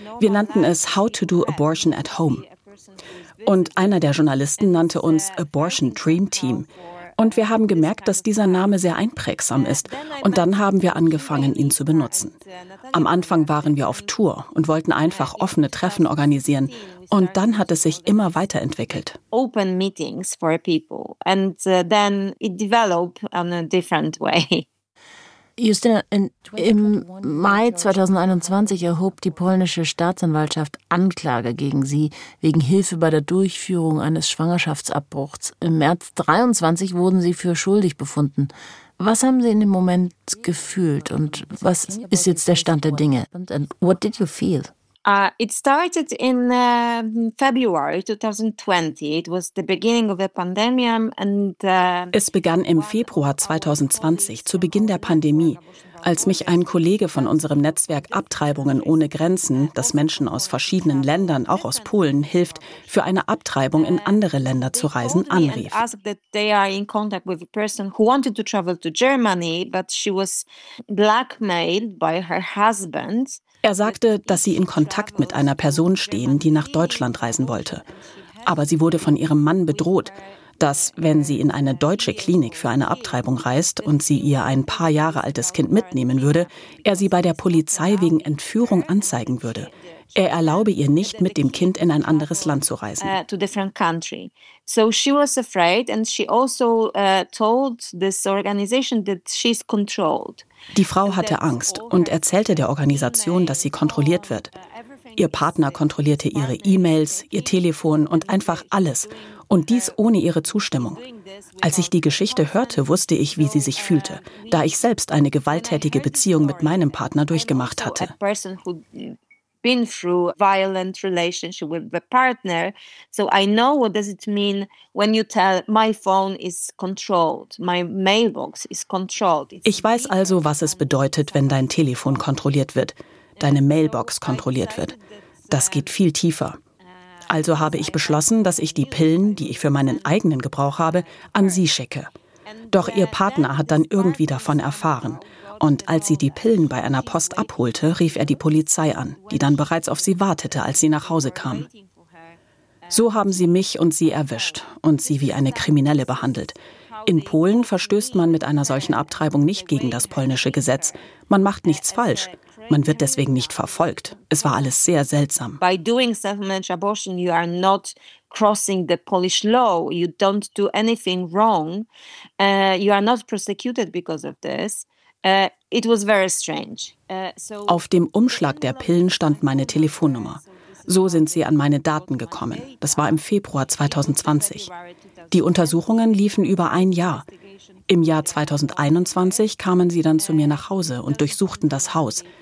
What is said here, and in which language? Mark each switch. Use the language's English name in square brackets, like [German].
[German] Wir nannten es How to do Abortion at Home. Und einer der Journalisten nannte uns Abortion Dream Team. Und wir haben gemerkt, dass dieser Name sehr einprägsam ist. Und dann haben wir angefangen, ihn zu benutzen. Am Anfang waren wir auf Tour und wollten einfach offene Treffen organisieren. Und dann hat es sich immer weiterentwickelt. [English] Open meetings for people. And then it developed in a different way. [German] Justyna, im Mai 2021 erhob die polnische Staatsanwaltschaft Anklage gegen Sie wegen Hilfe bei der Durchführung eines Schwangerschaftsabbruchs. Im März 2023 wurden Sie für schuldig befunden. Was haben Sie in dem Moment gefühlt und was ist jetzt der Stand der Dinge? [English] And what did you feel? It started in February 2020. It was the beginning of the pandemic and [German] es begann im Februar 2020, zu Beginn der Pandemie, als mich ein Kollege von unserem Netzwerk Abtreibungen ohne Grenzen, das Menschen aus verschiedenen Ländern, auch aus Polen, hilft, für eine Abtreibung in andere Länder zu reisen, anrief. [English] They asked that they are in contact with a person who wanted to travel to Germany, but she was blackmailed by her husband. [German] Er sagte, dass sie in Kontakt mit einer Person stehen, die nach Deutschland reisen wollte. Aber sie wurde von ihrem Mann bedroht, dass, wenn sie in eine deutsche Klinik für eine Abtreibung reist und sie ihr ein paar Jahre altes Kind mitnehmen würde, er sie bei der Polizei wegen Entführung anzeigen würde. Er erlaube ihr nicht, mit dem Kind in ein anderes Land zu reisen. [English] To different country. So she was afraid and she also told this organization that she's controlled. [German] Die Frau hatte Angst und erzählte der Organisation, dass sie kontrolliert wird. Ihr Partner kontrollierte ihre E-Mails, ihr Telefon und einfach alles. Und dies ohne ihre Zustimmung. Als ich die Geschichte hörte, wusste ich, wie sie sich fühlte, da ich selbst eine gewalttätige Beziehung mit meinem Partner durchgemacht hatte. [English] Been through a violent relationship with the partner, so I know what does it mean when you tell my phone is controlled, my mailbox is controlled. [German] Ich weiß also, was es bedeutet, wenn dein Telefon kontrolliert wird, deine Mailbox kontrolliert wird. Das geht viel tiefer. Also habe ich beschlossen, dass ich die Pillen, die ich für meinen eigenen Gebrauch habe, an sie schicke. Doch ihr Partner hat dann irgendwie davon erfahren. Und als sie die Pillen bei einer Post abholte, rief er die Polizei an, die dann bereits auf sie wartete, als sie nach Hause kam. So haben sie mich und sie erwischt und sie wie eine Kriminelle behandelt. In Polen verstößt man mit einer solchen Abtreibung nicht gegen das polnische Gesetz. Man macht nichts falsch. Man wird deswegen nicht verfolgt. Es war alles sehr seltsam. [English] By doing self-managed abortion, you are not crossing the Polish law. You don't do anything wrong. You are not prosecuted because of this. It was very strange. [German] Auf dem Umschlag der Pillen stand meine Telefonnummer. So sind sie an meine Daten gekommen. Das war im Februar 2020. Die Untersuchungen liefen über ein Jahr. Im Jahr 2021 kamen sie dann zu mir nach Hause und durchsuchten das Haus.